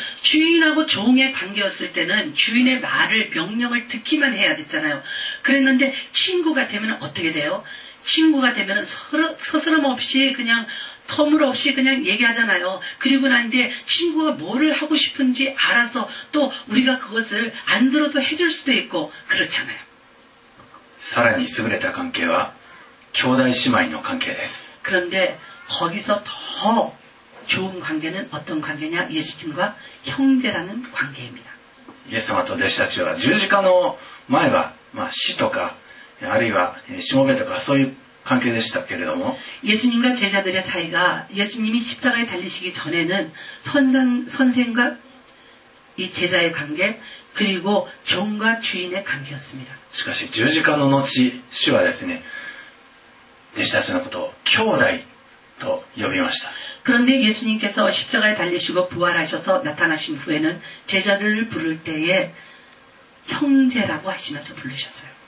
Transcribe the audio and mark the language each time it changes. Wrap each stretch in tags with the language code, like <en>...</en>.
<ko>주인하고종의관계였을때는주인의말을명령을듣기만해야됐잖아요그랬는데친구가되면어떻게돼요친구가되면서스럼없이그냥터물없이그냥얘기하잖아요그리고난뒤에친구가뭐를하고싶은지알아서또우리가그것을안들어도해줄수도있고그렇잖아요</ko> <ja>さらに優れた関係は兄弟姉妹の関係です</ja> <ko>그런데거기서더좋은관계는어떤관계냐예수님과형제라는관계입니다</ko> <ja>예수様と弟子たちは十字架の前は、まあ、死とかあるいは下辺とかそういう関係でしたけれども</ja> <ko>예수님과제자들의사이가예수님이십자가에달리시기전에는 선생과이제자의관계그리고종과주인의관계였습니다</ko> <ja>しかし十字架の後主はですね弟子たちのことを兄弟と呼びました</ja> <ko>그런데예수님께서십자가에달리시고부활하셔서나타나신후에는제자들을부를때에형제라고하시면서부르셨어요</ko>